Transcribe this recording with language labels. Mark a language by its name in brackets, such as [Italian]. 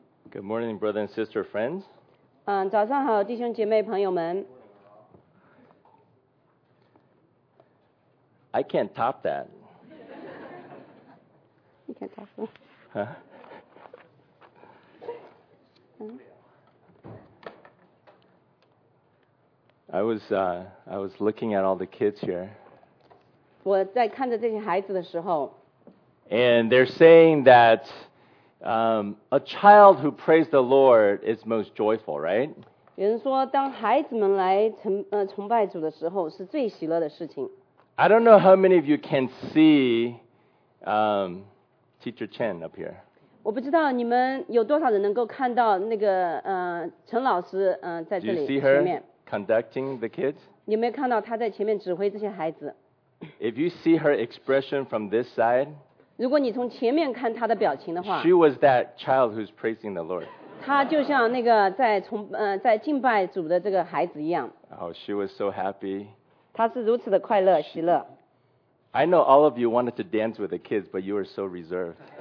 [English] Good morning, brother and sister friends. [Chinese] 早上好，弟兄姐妹朋友们。 [English] I can't top that. You can't top that. I was looking at all the kids here. [Chinese] 我在看着这些孩子的时候。 [English] And they're saying that a child who prays the Lord is most joyful, right? [Chinese] 有人说，当孩子们来崇拜主的时候，是最喜乐的事情。 [English] I don't know how many of you can see Teacher Chen up here. [Chinese] 我不知道你们有多少人能够看到那个陈老师在这里前面。 [English] Do you see her conducting the kids? [Chinese] 你没有看到她在前面指挥这些孩子。 [English] If you see her expression from this side. [Chinese] 如果你从前面看他的表情的话 [English] She was that child who's praising the Lord. [Chinese] 他就像那个在敬拜主的这个孩子一样 [English] Oh, she was so happy. [Chinese] 他是如此的快乐喜乐 [English] I know all of you wanted to dance with the kids, but you were so reserved.